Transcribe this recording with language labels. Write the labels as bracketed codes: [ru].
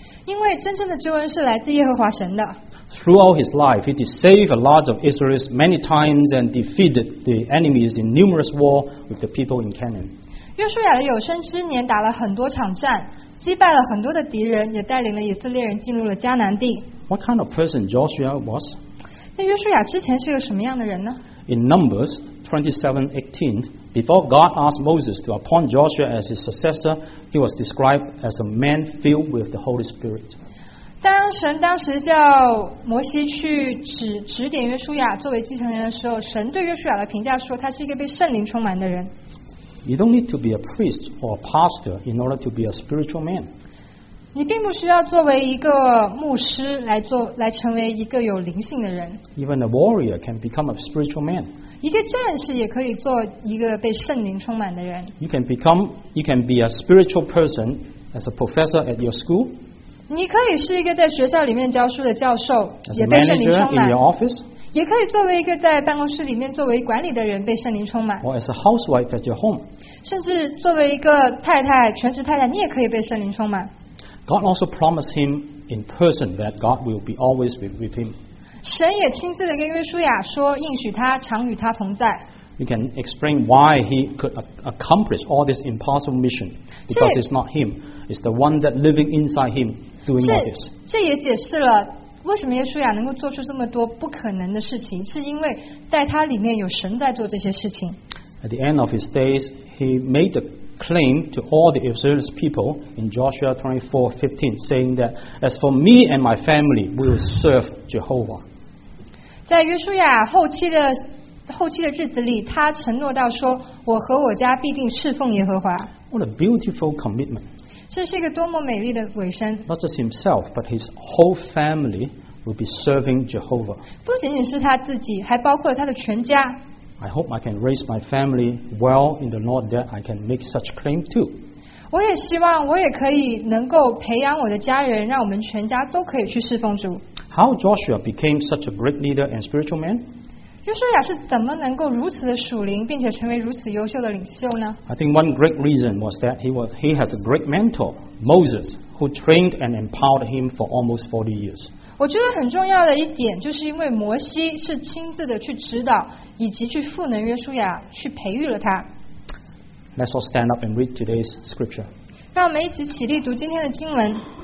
[zh] 因为真正的救恩是来自耶和华神的。 [en] Throughout his life, he did save a lot of Israelites many times and defeated the enemies in numerous war with the people in Canaan. [zh] 约书亚的有生之年打了很多场战，击败了很多的敌人，也带领了以色列人进入了迦南地。 [en] What kind of person Joshua was? [zh] 那约书亚之前是个什么样的人呢？ [en] In Numbers 27:18, before God asked Moses to appoint Joshua as his successor, he was described as a man filled with the Holy Spirit. [zh] 当神当时叫摩西去指点约书亚作为继承人的时候，神对约书亚的评价说他是一个被圣灵充满的人。 [en] You don't need to be a priest or a pastor in order to be a spiritual man. [zh] 你并不需要作为一个牧师来成为一个有灵性的人。 [en] Even a warrior can become a spiritual man. [zh] 一个战士也可以做一个被圣灵充满的人。 [en] You can be a spiritual person as a professor at your school. [zh] 你可以是一个在学校里面教书的教授，也被圣灵充满。 [en] As a manager in your office. [zh] 也可以作为一个在办公室里面作为管理的人被圣灵充满。 [en] Or as a housewife at your home. [zh] 甚至作为一个太太，全职太太，你也可以被圣灵充满。 [en] God also promised him in person that God will be always with him. [zh] 神也亲自的跟约书亚说，应许他常与他同在。 [en] You can explain why he could accomplish all this impossible mission because it's not him; it's the one that living inside him doing all this. [zh] 这也解释了为什么约书亚能够做出这么多不可能的事情，是因为在他里面有神在做这些事情。 [en] At the end of his days, he made the claim to all the Israelite people in Joshua 24:15, saying that as for me and my family, we will serve Jehovah. [zh] 在约书亚后期的日子里，他承诺到说，我和我家必定侍奉耶和华。 [en] What a beautiful commitment! [zh] 这是一个多么美丽的尾声。 [en] Not just himself, but his whole family will be serving Jehovah. [zh] 不仅仅是他自己，还包括了他的全家。 [en] I hope I can raise my family well in the Lord that I can make such claim too. [zh] 我也希望我也可以能够培养我的家人，让我们全家都可以去侍奉主。 [en] How Joshua became such a great leader and spiritual man? [zh] 约书亚是怎么能够如此的属灵，并且成为如此优秀的领袖呢？ [en] I think one great reason was that he has a great mentor, Moses, who trained and empowered him for almost 40 years. [zh] 我觉得很重要的一点，就是因为摩西是亲自的去指导，以及去赋能约书亚，去培育了他。 [en] Let's all stand up and read today's scripture. [zh] 让我们一起起立读今天的经文。